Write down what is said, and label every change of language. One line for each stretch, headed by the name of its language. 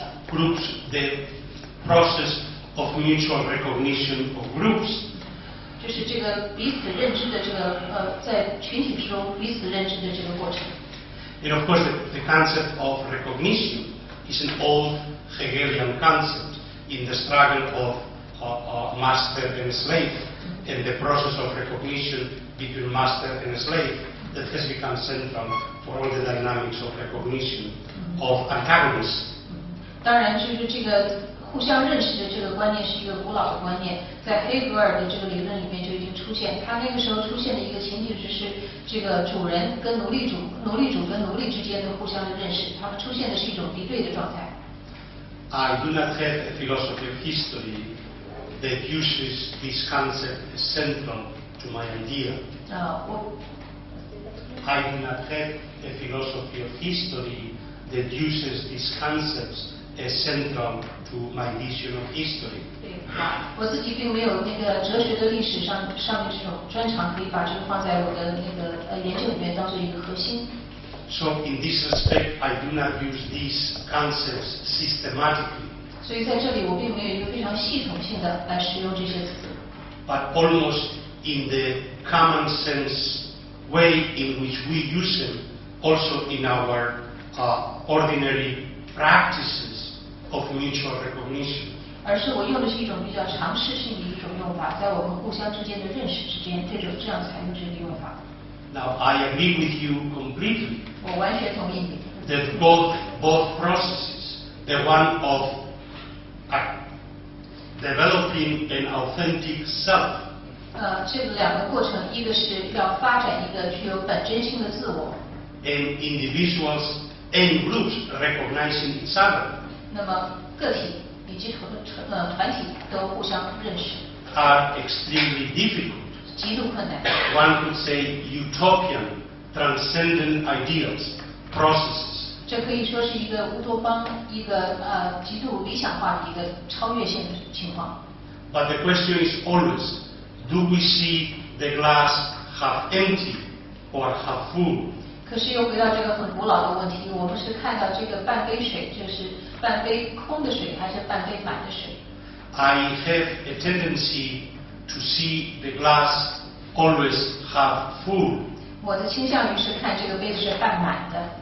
English: Groups, the process of mutual recognition of groups.
Chinese: 就是这个彼此认知的这个在群体之中彼此认知的这个过程。
English: And of course, the concept of recognition is an old Hegelian concept in the struggle of master and slave, and the process of recognition between master and slave that has become central for all the dynamics of recognition of antagonists.
Chinese: 当然，就是这个互相认识的这个观念是一个古老的观念，在黑格尔的这个理论里面就已经出现。他那个时候出现的一个情景就是这个主人跟奴隶主，奴隶主跟奴隶之间的互相的认识，他们出现的是一种敌对的状态。
English: I do not have a philosophy of history that uses this concept as central to my idea. I do not have a philosophy of history that uses these concepts as central to my vision of history.
Chinese: 对，我自己并没有那个哲学的历史上面这种专长，可以把这个放在我的那个研究里面当做一个核心。
English: So in this respect, I do not use these concepts systematically.
Chinese: 所以在这里我并没有一个非常系统性的来使用这些词。
English: But almost in the common sense way in which we use them, also in our ordinary practices of mutual recognition.
Chinese: 而是我用的是一种比较常识性的一种用法，在我们互相之间的认识之间，这样才用这个用法。
English: Now I agree with you completely.
Chinese: 我完全同意你。
English: That both processes, the one of developing an authentic self.
Chinese: 这个两个过程，一个是要发展一个具有本真性的自我。
English: And individuals and groups recognizing each other.
Chinese: 那么个体以及团体都互相认识。
English: Are extremely difficult.
Chinese: 极度困难。
English: One could say utopian, transcendent ideals, processes.
Chinese: 这可以说是一个乌托邦，一个极度理想化的一个超越性的情况。
English: But the question is always, do we see the glass half empty or half full?
Chinese: 可是又回到这个很古老的问题，我们是看到这个半杯水，就是半杯空的水，还是半杯满的水？
English: I have a tendency. To see the glass always half full.
Chinese: 我的倾向于是看这个杯子是半满的。